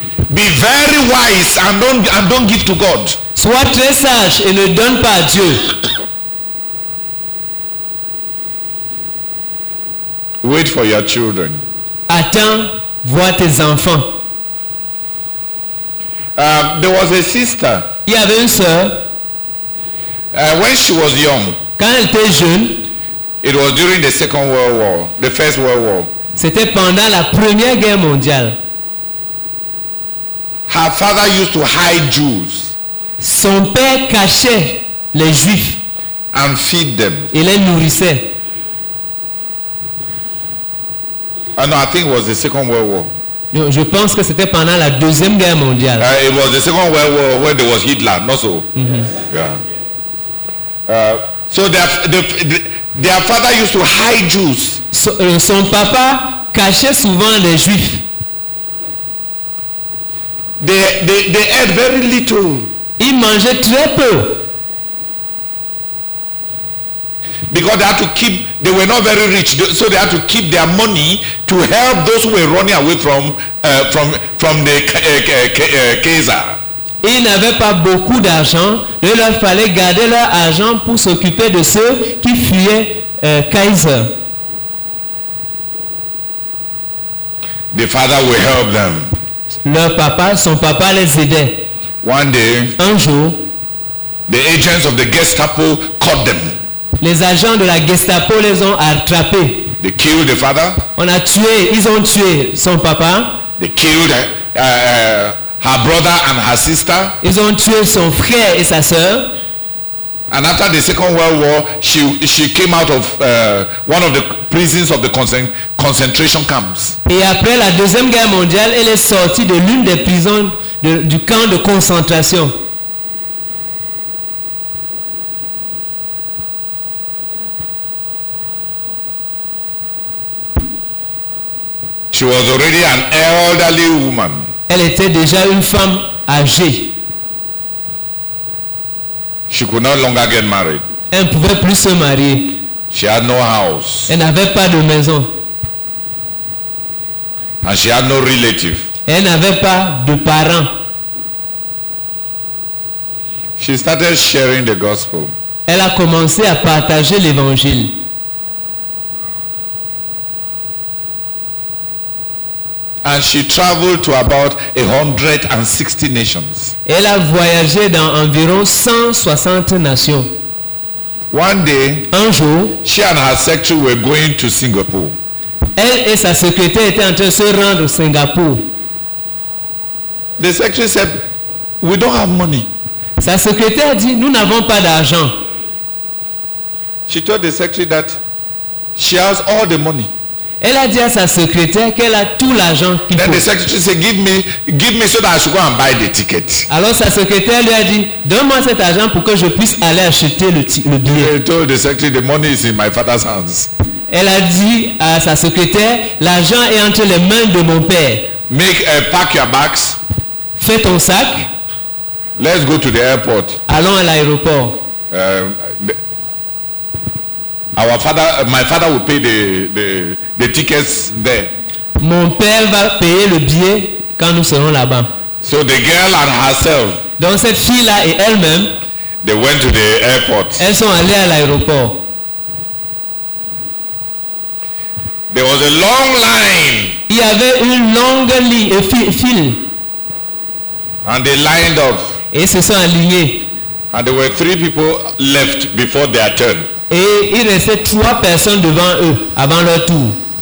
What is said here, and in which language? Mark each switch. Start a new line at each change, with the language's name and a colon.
English: Be very wise and don't give to God.
French: Sois très sage et ne donne pas à Dieu.
English: Wait for your children.
French: Attends, vois tes enfants.
English: There was a sister.
French: Il y avait une sœur.
English: When she was young.
French: Quand elle était jeune.
English: It was during the Second World War, the First World War.
French: C'était pendant la Première Guerre mondiale.
English: Her father used to hide Jews.
French: Son père cachait les Juifs.
English: And feed them.
French: Il les nourrissait.
English: I think it was the Second World War.
French: Non, je pense que c'était pendant la Deuxième Guerre mondiale.
English: It was the Second World War where there was Hitler, not so. Mm-hmm. Yeah. So their father used to hide Jews.
French: Son papa cachait souvent les Juifs.
English: They ate very little.
French: Ils mangeaient très peu.
English: Because they were not very rich, so they had to keep their money to help those who were running away from the Caesar.
French: Ils n'avaient pas beaucoup d'argent, il leur fallait garder leur argent pour s'occuper de ceux qui fuyaient Caesar.
English: The father will help them.
French: Leur papa, son papa les aidait.
English: One day,
French: un jour,
English: the agents of the Gestapo caught them.
French: Les agents de la Gestapo les ont attrapés.
English: They killed the father.
French: Ils ont tué son papa.
English: They killed her brother and her sister.
French: Ils ont tué son frère et sa sœur.
English: And after the Second World War, she came out of one of the prisons of the concentration camps.
French: Et après la Deuxième Guerre mondiale, elle est sortie de l'une des prisons du camp de concentration.
English: She was already an elderly woman.
French: Elle était déjà une femme âgée.
English: She could no longer get married.
French: Elle ne pouvait plus se marier.
English: She had no house.
French: Elle n'avait pas de maison.
English: And she had no relative.
French: Elle n'avait pas de parents.
English: She started sharing the gospel.
French: Elle a commencé à partager l'évangile.
English: And she traveled to about 160 nations.
French: Elle a voyagé dans environ 160 nations.
English: One day,
French: un jour,
English: she and her secretary were going to Singapore.
French: Elle et sa secrétaire étaient en train de se rendre à Singapour.
English: The secretary said, "We don't have money."
French: Sa secrétaire dit, "Nous n'avons pas d'argent."
English: She told the secretary that she has all the money.
French: Elle a dit à sa secrétaire qu'elle a tout l'argent qu'il
English: Then The secretary said, give me so that I should go and buy the ticket.
French: Alors sa secrétaire lui a dit, donne-moi cet argent pour que je puisse aller acheter le billet.
English: She told the secretary, the money is in my father's hands.
French: Elle a dit à sa secrétaire, l'argent est entre les mains de mon père.
English: Pack your bags.
French: Fais ton sac.
English: Let's go to the airport.
French: Allons à l'aéroport.
English: My father will pay the tickets there.
French: Mon père va payer le billet quand nous serons là-bas.
English: So the girl and herself.
French: Donc cette fille-là et elle-même.
English: They went to the airport.
French: Elles sont allées à l'aéroport.
English: There was a long line.
French: Il y avait une longue ligne, un fil.
English: And they lined up.
French: Et se sont alignés.
English: And there were three people left before their turn.
French: Et il restait trois personnes devant eux avant leur tour.